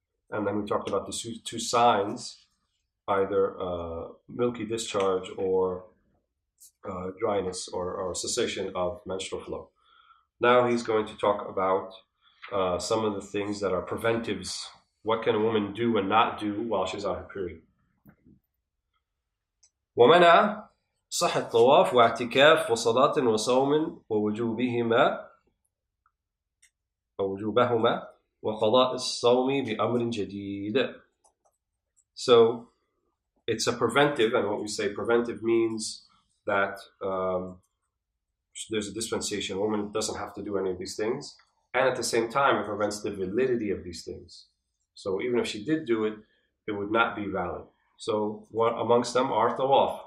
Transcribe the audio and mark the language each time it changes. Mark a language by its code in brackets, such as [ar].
[en] And then we talked about the two signs, either milky discharge or dryness or cessation of menstrual flow. Now he's going to talk about some of the things that are preventives. What can a woman do and not do while she's on her period? [ar] ومنع صحة الطواف واعتكاف وصلاة وصوم ووجوبهما ووجوبهما وقضاء الصوم بأمر جديد. [en] So it's a preventive, and what we say preventive means that there's a dispensation. A woman doesn't have to do any of these things, and at the same time it prevents the validity of these things. So even if she did do it, it would not be valid. So what amongst them are tawaf.